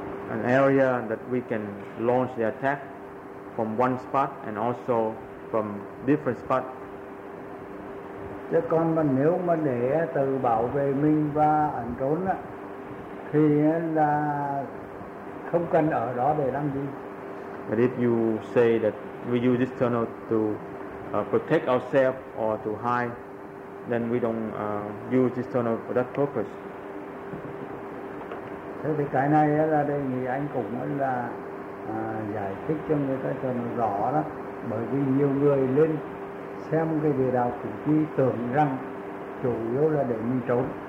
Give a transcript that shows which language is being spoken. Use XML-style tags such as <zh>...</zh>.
<en>an area that we can launch the attack from one spot and also from different spot.</en> <vi>Chứ còn mà nếu mà để tự bảo vệ mình và ẩn trốn á, thì là không cần ở đó để làm gì.</vi> <en>But if you say that we use this tunnel to protect ourselves or to hide, then we don't use this tunnel for that purpose.</en> <vi>Thế thì cái này là đề nghị anh cũng là giải thích cho người ta cho nó rõ đó, bởi vì nhiều người lên xem cái địa đạo Củ Chi tưởng rằng chủ yếu là để mình trốn.</vi>